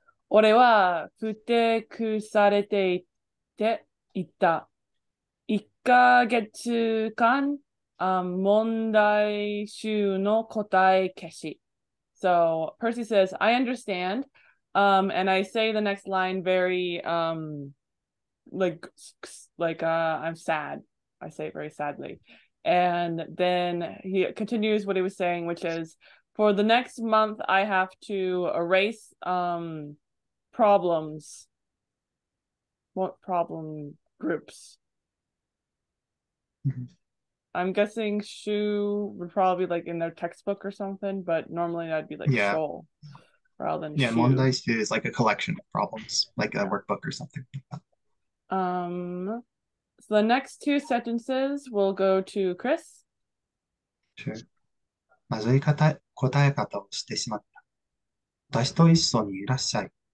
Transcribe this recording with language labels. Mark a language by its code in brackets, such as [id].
[ja] 俺はふてくされていて言った。一ヶ月間、問題集の答え消し。 [en] So Percy says, I understand. And I say the next line very, I'm sad. I say it very sadly. And then he continues what he was saying, which is, for the next month, I have to erase problems. What problem groups? I'm guessing Shu would probably be like in their textbook or something, but normally that'd be like Shoal rather than Shu. Mondai Shu is like a collection of problems, like a workbook or something. So the next two sentences will go to Chris. Sure. [ja] まずい答え方をしてしまった。私と一緒にいらっしゃい。